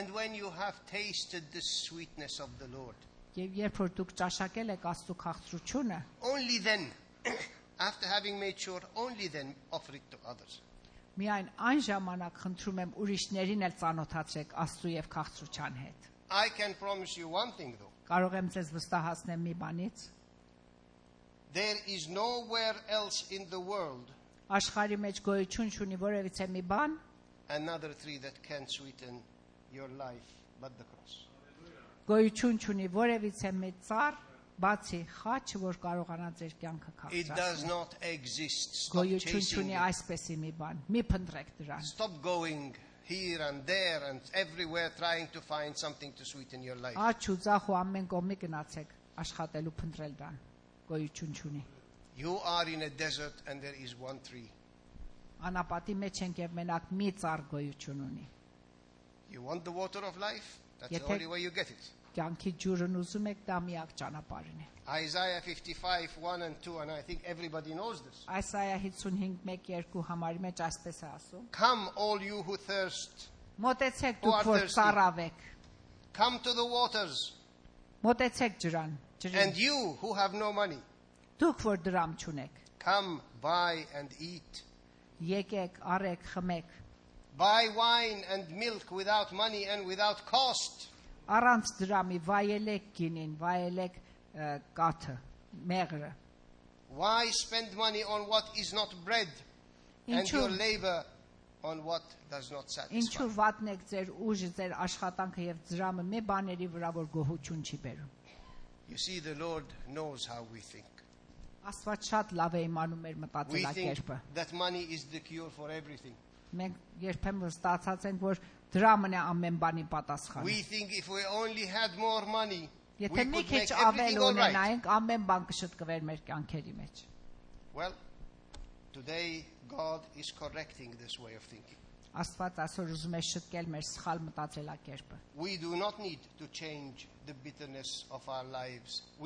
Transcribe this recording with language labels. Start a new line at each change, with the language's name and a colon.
English: And when you have tasted the sweetness of the Lord.
Armenian: Եվ երբ որ դուք ճաշակել եք Աստծո քաղցրությունը,
English: only then After having made sure, only then offer it to others.
Armenian: Միայն այն ժամանակ խնդրում եմ ուրիշներին էլ ծանոթացրեք Աստծու եւ քաղցրության հետ.
English: I can promise you one thing though.
Armenian: Կարող եմ ձեզ վստահացնել մի բանից.
English: There is nowhere else in the world.
Armenian: Աշխարհի մեջ գոյություն չունի որևիցե մի բան.
English: Another tree that can sweeten your life but the cross.
Armenian: Գոյություն չունի որևիցե մի ծառ. Բացի խաչը, որ կարողանա ձեր կյանքը քաղցրացնել։ Գոյություն ունի այսպեսի մի բան։ Մի փնտրեք դրան։
English: Stop going here and there and everywhere trying to find something to sweeten your life։
Armenian: Աջ ու ձախ ու ամեն կողմի գնացեք աշխատելու փնտրել դրան։ Գոյություն ունի։
English: You are in a desert and there is one tree։
Armenian: Անապատի մեջ ենք եւ մենակ մի ծառ գոյություն ունի։
English: You want the water of life? That's the only way you get it։
Armenian: Կյանքի ջուրն ուզում եք դա միակ ճանապարհն է
English: Isaiah 55:1 and 2 and I think everybody knows this
Armenian: Isaiah 55:1-2 համարի մեջ այսպես է ասում
English: Come all you who thirst
Armenian: Մոտեցեք դուք որ ծարավեք
English: Come to the waters
Armenian: Մոտեցեք ջրան
English: And you who have no money
Armenian: Դուք որ դրամ չունեք
English: Come buy and eat
Armenian: Եկեք առեք խմեք
English: Buy wine and milk without money and without cost
Armenian: Առանց դրամի վայելեք գինին, վայելեք կաթը, մեղրը։
English: Why spend money on what is not bread and your labor on what does not satisfy?
Armenian: Ինչու վատնեք ձեր ուժը, ձեր աշխատանքը եւ դրամը մի բաների վրա, որ գոհություն չի բերում։
English: You see the Lord knows how we think.
Armenian: Աստված շատ լավ է իմանում մեր մտածելակերպը։
English: That money is the cure for everything.
Armenian: Մենք երբեմն ստացած ենք, որ դրամն է ամեն բանի պատասխանը։
English: We think if we only had more money,
Armenian: Եթե մի քիչ ավել ունենայինք, ամեն բան կշտկվեր մեր կյանքերի մեջ։
English: Well, today God is correcting this way of thinking.
Armenian: Աստված այսօր ուզում է շտկել մեր սխալ մտածելակերպը։
English: We do not need to change the bitterness of our lives.